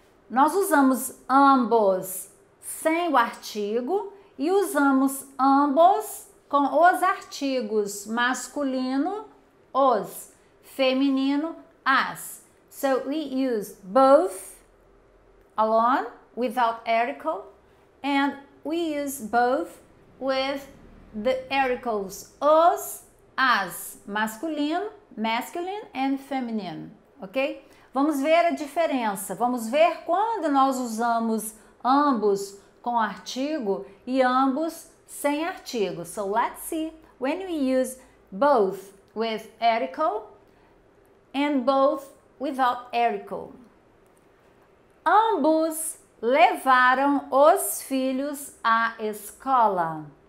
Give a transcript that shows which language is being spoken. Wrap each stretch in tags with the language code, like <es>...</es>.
<pt>Nós usamos ambos sem o artigo e usamos ambos com os artigos masculino, os, feminino, as.</pt> <en>So we use both alone without article and we use both with the articles os, as, masculino, masculine and feminine, ok?</en> <pt>Vamos ver a diferença. Vamos ver quando nós usamos ambos com artigo e ambos sem artigo.</pt> <en>So let's see when we use both with article and both without article.</en> <pt>Ambos levaram os filhos à escola.</pt>